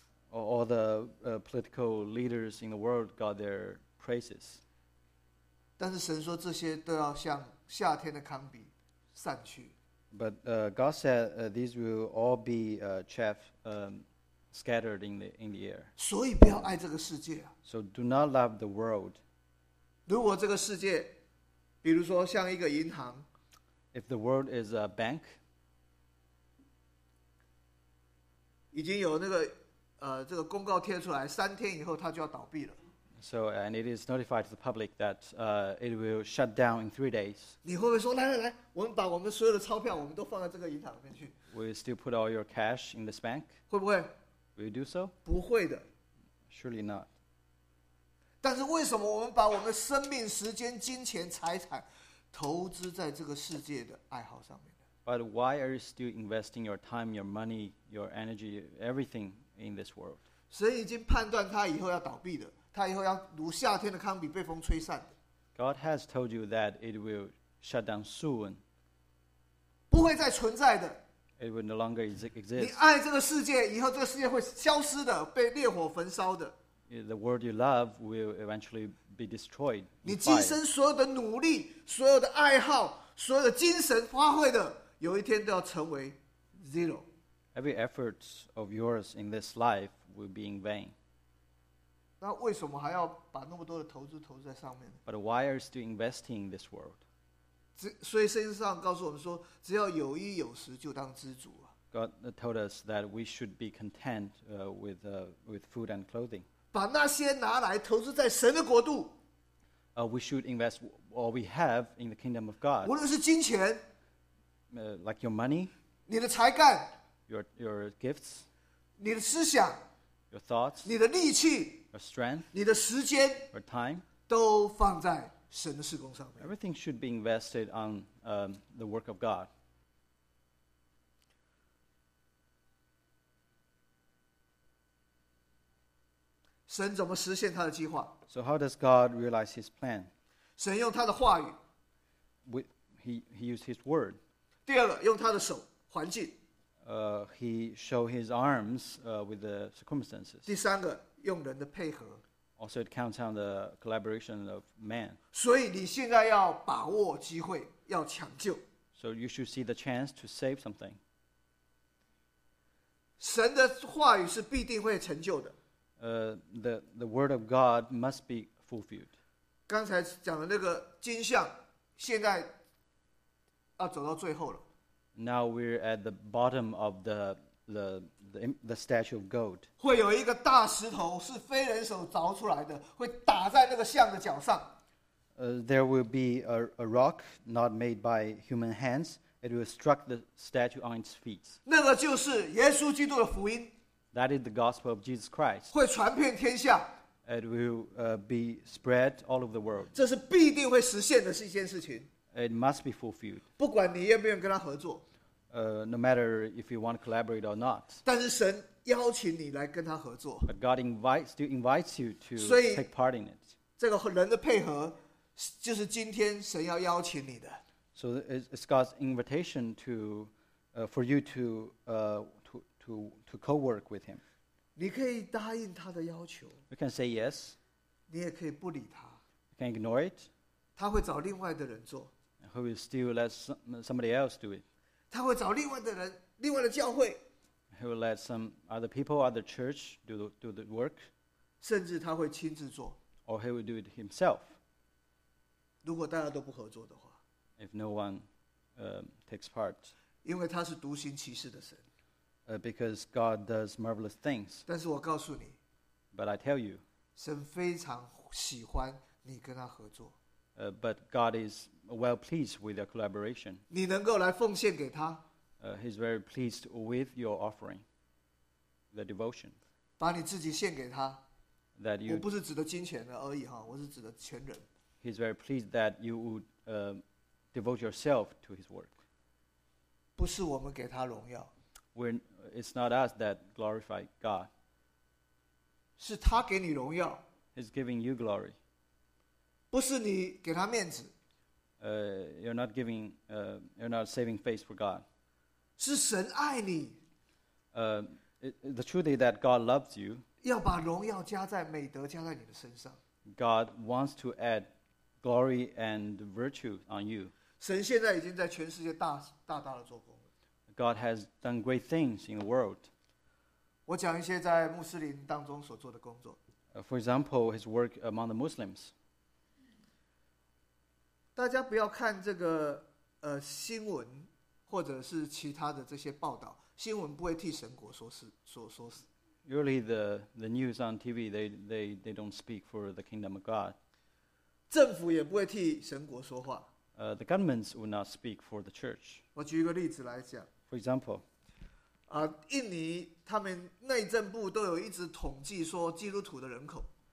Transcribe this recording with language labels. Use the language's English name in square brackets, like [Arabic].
[English] All the political leaders in the world got their praises. [Chinese] 但是神说这些都要像夏天的糠皮散去。 [English] But God said these will all be chaff scattered in the air. [Chinese] 所以不要爱这个世界啊。 [English] So do not love the world. [Chinese] 如果这个世界，比如说像一个银行 [English] ，If the world is a bank， [Chinese] 已经有那个这个公告贴出来，三天以后它就要倒闭了。 [English] So and it is notified to the public that it will shut down in 3 days。 [Chinese] 你会不会说来来来，我们把我们所有的钞票，我们都放在这个银行里面去 [English] ？Will you still put all your cash in this bank？ [Chinese] 会不会 [English] ？Will you do so？ [Chinese] 不会的。 [English] Surely not. [Chinese] 但是为什么我们把我们的生命、时间、金钱、财产投资在这个世界的爱好上面呢 [English] ？But why are you still investing your time, your money, your energy, everything in this world? [Chinese] 神已经判断他以后要倒闭的，他以后要如夏天的糠皮被风吹散的。 [English] God has told you that it will shut down soon. [Chinese] 不会再存在的。 [English] It will no longer exist. [Chinese] 你爱这个世界，以后这个世界会消失的，被烈火焚烧的。 [English] The world you love will eventually be destroyed. [Chinese] 你今生所有的努力、所有的爱好、所有的精神花费的，有一天都要成为 zero. [English] every effort of yours in this life will be in vain. [Chinese] 那为什么还要把那么多的投资投在上面呢？ [English] But why are you still investing in this world? [Chinese] 所以圣经上告诉我们说，只要有衣有食就当知足啊。 [English] God told us that we should be content with food and clothing. [Chinese] 把那些拿来投资在神的国度。 [English] We should invest all we have in the kingdom of God. [Chinese] 无论是金钱。 [English] Like your money. [Chinese] 你的才干。 [English] Your gifts. [Chinese] 你的思想。 [English] Your thoughts. [Chinese] 你的力气。 [English] Your strength. [Chinese] 你的时间。 [English] Your time. [Chinese] 都放在神的事工上面。 [English] Everything should be invested on the work of God. [Chinese] 神怎么实现他的计划？ [English] So how does God realize his plan? [Chinese] 神用他的话语。 [English] He used his word. [Chinese] 第二个，用他的手，环境。 [English] He showed his arms with the circumstances. [Chinese] 第三个，用人的配合。 [English] Also it counts on the collaboration of man. [Chinese] 所以你现在要把握机会，要抢救。 [English] So you should see the chance to save something. [Chinese] 神的话语是必定会成就的。 [English] The word of God must be fulfilled. [Chinese] 刚才讲的那个金像，现在要走到最后了。 [English] Now we're at the bottom of the statue of gold. [Chinese] 会有一个大石头是非人手凿出来的，会打在那个像的脚上。 [English] There will be a rock not made by human hands. It will struck the statue on its feet. [Chinese] 那个就是耶稣基督的福音。 [English] That is the gospel of Jesus Christ. [Chinese] 会传遍天下。 [English] It will be spread all over the world. [Chinese] 这是必定会实现的一件事情。 [English] It must be fulfilled. [Chinese] 不管你愿不愿意跟他合作。 [English] No matter if you want to collaborate or not. [Chinese] 但是神邀请你来跟他合作。 [English] But God still invites you to take part in it. [Chinese] 这个人的配合就是今天神要邀请你的。 [English] So it's God's invitation to, for you to... To co-work with him. [Chinese] 你可以答应他的要求。 [English] You can say yes. [Chinese] 你也可以不理他。 [English] You can ignore it. [Chinese] 他会找另外的人做。 [English] He will still let somebody else do it. [Chinese] 他会找另外的人，另外的教会。 [English] He will let some other people, other church do the work. [Chinese] 甚至他会亲自做。 [English] Or he will do it himself. [Chinese] 如果大家都不合作的话。 [English] If no one takes part. [Chinese] 因为他是独行其事的神。 [English] Because God does marvelous things. [Chinese] 但是我告诉你, [English] but I tell you, [Chinese] 神非常喜欢你跟他合作。 [English] But God is well pleased with your collaboration. [Chinese] 你能够来奉献给他。 [English] He's very pleased with your offering, the devotion. [Chinese] 把你自己献给他。 [English] That you, [Chinese] 我不是指的金钱而已，我是指的全人。 [English] He's very pleased that you would devote yourself to his work. [Chinese] 不是我们给他荣耀。 [English] It's not us that glorify God. [Chinese] 是他给你荣耀。 [English] He's giving you glory. [Chinese] 不是你给他面子。 [English] You're not saving face for God. [Chinese] 是神爱你。 [English] The truth is that God loves you. [Chinese] 要把荣耀加在美德加在你的身上。 [English] God wants to add glory and virtue on you. [Chinese] 神现在已经在全世界大大的做工。 [English] God has done great things in the world. [Chinese] 我讲一些在穆斯林当中所做的工作。 [English] For example, his work among the Muslims. [Chinese] 大家不要看这个新闻或者是其他的这些报道，新闻不会替神国说事。 [English] Usually the news on TV they don't speak for the kingdom of God. [Chinese] 政府也不会替神国说话。 [English] The governments will not speak for the church. [Chinese] 我举一个例子来讲。 [English] For example, [Chinese] 印尼他们内政部都有一直统计说基督徒的人口。